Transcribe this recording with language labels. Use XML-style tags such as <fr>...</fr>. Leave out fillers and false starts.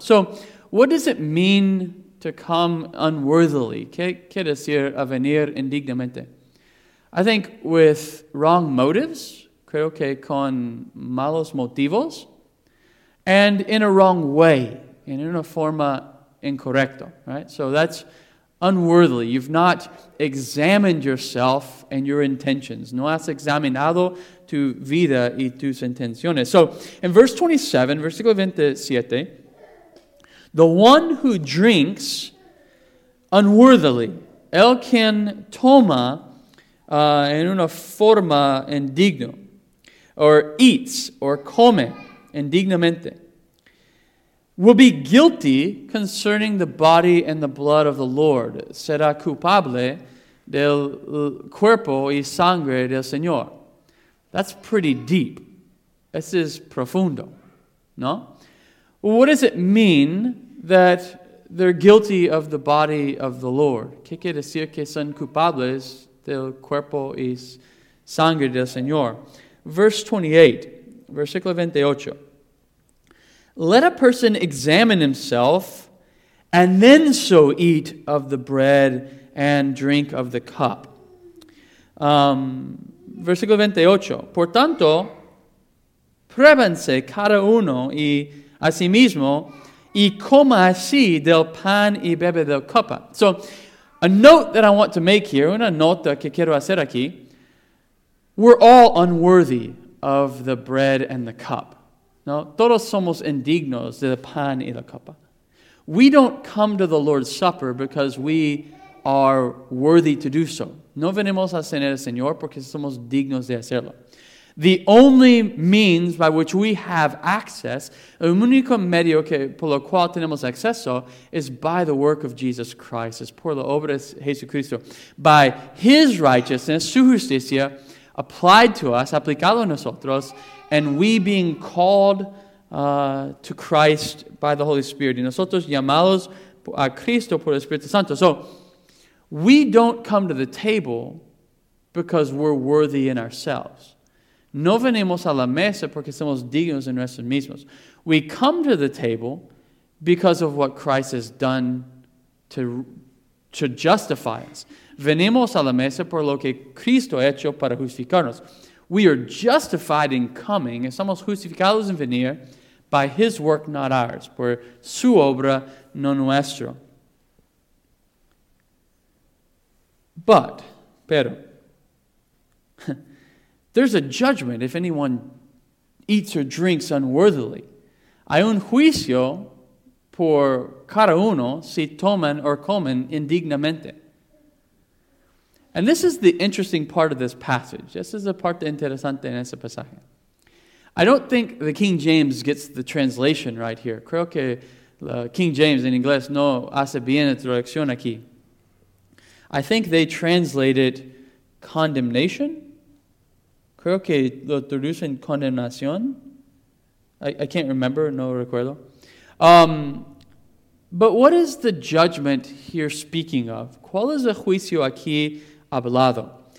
<en>So, what does it mean to come unworthily?</en> <es>¿Qué quiere decir a venir indignamente?</es> <en>I think with wrong motives,</en> <es>creo que con malos motivos,</es> <en>and in a wrong way, in</en> <es>una forma incorrecta,</es> <en>right? So that's unworthily. You've not examined yourself and your intentions.</en> <es>No has examinado tu vida y tus intenciones.</es> <en>So in verse 27,</en> <es>versículo 27,</es> <en>the one who drinks unworthily,</en> <es>el quien toma en una forma indigno,</es> <en>or eats or come indignamente, will be guilty concerning the body and the blood of the Lord.</en> <es>Será culpable del cuerpo y sangre del Señor.</es> <en>That's pretty deep. This is profundo. No? Well, what does it mean that they're guilty of the body of the Lord?</en> <es>¿Qué quiere decir que son culpables del cuerpo y sangre del Señor?</es> <en>Verse 28.</en> <es>Versículo 28.</es> <en>Let a person examine himself, and then so eat of the bread and drink of the cup.</en> <es>Versículo 28. Por tanto, pruébanse cada uno y a sí mismo, y coma así del pan y bebe del copa.</es> <en>So, a note that I want to make here,</en> <es>una nota que quiero hacer aquí.</es> <en>We're all unworthy of the bread and the cup.</en> <es>No, todos somos indignos de pan y la copa.</es> <en>We don't come to the Lord's Supper because we are worthy to do so.</en> <es>No venimos a cenar al Señor porque somos dignos de hacerlo.</es> <en>The only means by which we have access,</en> <es>el único medio que por lo cual tenemos acceso,</es> <en>is by the work of Jesus Christ,</en> <es>es por la obra de Jesucristo.</es> <en>By His righteousness,</en> <es>su justicia,</es> <en>applied to us,</en> <es>aplicado a nosotros,</es> <en>and we being called to Christ by the Holy Spirit.</en> <es>Y nosotros llamados a Cristo por el Espíritu Santo.</es> <en>So, we don't come to the table because we're worthy in ourselves.</en> <es>No venimos a la mesa porque somos dignos en nosotros mismos.</es> <en>We come to the table because of what Christ has done to justify us.</en> <es>Venimos a la mesa por lo que Cristo ha hecho para justificarnos.</es> <en>We are justified in coming,</en> <es>estamos justificados en venir,</es> <en>by His work, not ours,</en> <es>por su obra, no nuestro.</es> <en>But, pero, there's a judgment if anyone eats or drinks unworthily.</en> <es>Hay un juicio por cada uno si toman o comen indignamente.</es> <en>And this is the interesting part of this passage. This is the part</en> <es>interesante en ese pasaje.</es> <en>I don't think the King James gets the translation right here.</en> <es>Creo que la King James en inglés no hace bien la traducción aquí.</es> <en>I think they translate it condemnation.</en> <es>Creo que lo traducen condenación.</es> <en>I can't remember,</en> <es>no recuerdo.</es> <en>But what is the judgment here speaking of?</en> <es>¿Cuál es el juicio aquí hablado?</es>